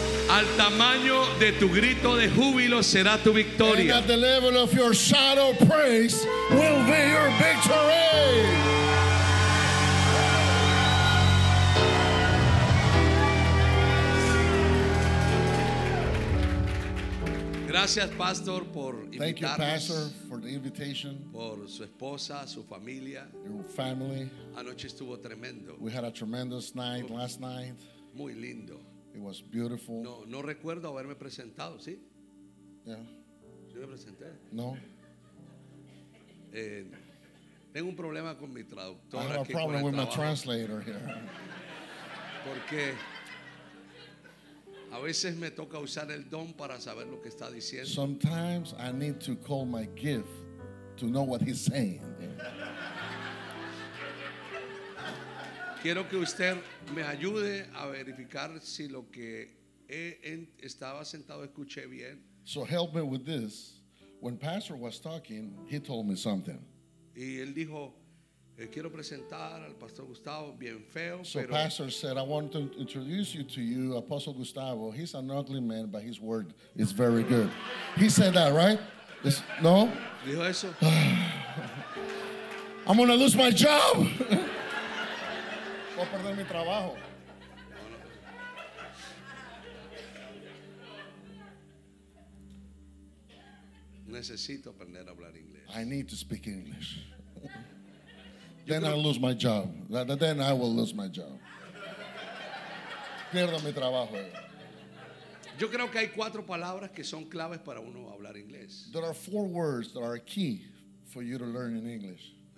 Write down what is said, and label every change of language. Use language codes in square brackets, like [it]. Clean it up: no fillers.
[es] Al tamaño de tu grito de júbilo será tu victoria. [en] And at the level of your shout of praise will be your victory. [es] Gracias, Pastor, por invitarnos. [en] Thank you, Pastor, for the invitation. [es] Por su esposa, su familia. [en] Your family. [es] Anoche estuvo tremendo. [en] We had a tremendous night last night. [es] Muy lindo. [en] It was beautiful. [es] No recuerdo haberme presentado, ¿sí? [en] Yeah. [es] ¿Sí me presenté? No. Tengo un problema con mi traductora. [en] I have a problem with my translator here. [es] Porque a veces me toca usar el don para saber lo que está diciendo. [en] Sometimes I need to call my gift to know what he's saying. [es] Quiero que usted me ayude a verificar si lo que estaba sentado escuché bien. [en] So help me with this. When Pastor was talking, he told me something. [es] Y él dijo, quiero presentar al Pastor Gustavo, bien feo. [en] So [es] pero [en] Pastor said, I want to introduce you to you, Apostle Gustavo. He's an ugly man, but his word is very good. He said that, right? No? [es] Dijo eso. [en] I'm going to lose my job. [es] Voy a perder mi trabajo. Necesito aprender a hablar inglés. [en] I need to speak English. Then I'll lose my job. Then I will lose my job. [es] Pierdo mi trabajo. Yo creo que hay cuatro palabras que son claves para uno hablar inglés. [en] There are four words that are key for you to learn in English.